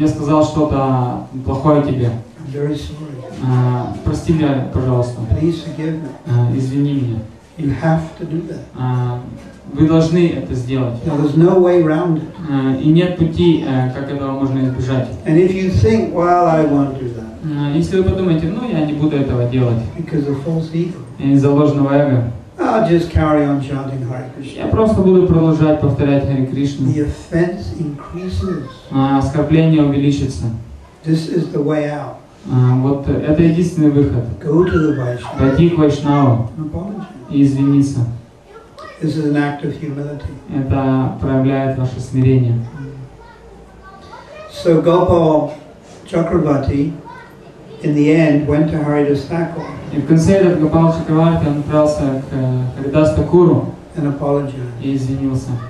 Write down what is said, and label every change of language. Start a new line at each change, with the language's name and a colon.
Russian: Я сказал что-то плохое тебе.
English: I'm very sorry.
Russian: Прости меня, пожалуйста.
English: Please forgive me.
Russian: Извини меня.
English: You have to do that.
Russian: Вы должны это сделать.
English: Now, there's no way around it.
Russian: И нет пути, как этого можно избежать.
English: And if you think, well, I won't do that.
Russian: Если вы подумаете, ну я не буду этого делать.
English: Because of false ego.
Russian: Из-за ложного эго.
English: I'll just carry on chanting Hare Krishna.
Russian: Я просто буду продолжать повторять Харе Кришну.
English: The offense increases.
Russian: Оскорбление увеличится.
English: This is the way out.
Russian: Вот это единственный выход.
English: Go to the Vaishnava.
Russian: Пойти к Вайшнаву.
English: Apology.
Russian: И извиниться.
English: This is an act of humility.
Russian: Это проявляет ваше смирение.
English: So Gopal Chakravarti in the end went to Haridas Thakur.
Russian: И в конце этот Гопал Чакраварти отправился к Харидас Такуру и извинился.